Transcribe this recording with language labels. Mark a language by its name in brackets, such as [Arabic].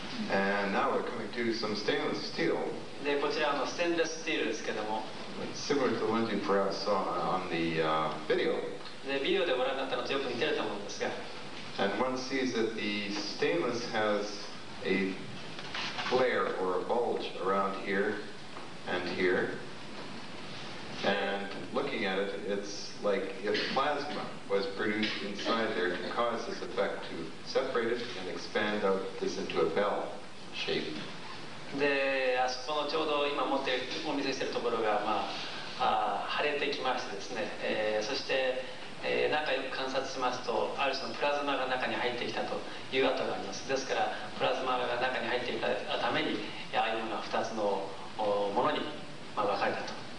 [English] And now we're coming to some stainless steel. [Japanese] で、こちらステンレススチールですけども。 [English] Similar to the ones you perhaps saw on the video. [Japanese] で、ビデオでご覧になったのとよく似てると思うんですが。 [English] And one sees that the stainless has a flare or a bulge around here and here. And looking at it, it's like if plasma was produced inside there to cause this effect to separate it and expand out this into a bell shape. [Japanese] で、あそこのちょうど今持ってお見せしているところが、まあ、腫れてきましてですね、そして、中よく観察しますと、ある種のプラズマが中に入ってきたという跡があります。ですから、プラズマが中に入っていたために、ああいうのが2つのものに、まあ、分かれたと。